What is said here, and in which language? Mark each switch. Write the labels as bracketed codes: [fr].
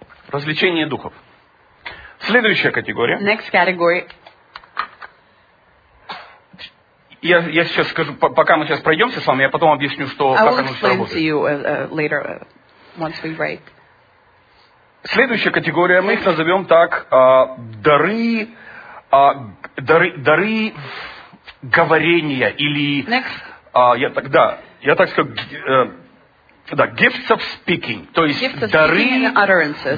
[ru] Развлечение духов. Следующая категория. [en] Next category. [ru] Я сейчас скажу, пока мы сейчас пройдемся с вами, я потом объясню, что как оно все работает. [en] I will explain to you later once we break. [ru] Следующая категория, мы их назовем так, дары. Дары говорения или [en] gifts of speaking, [ru] то есть [en] gifts of [ru] дары [en] speaking and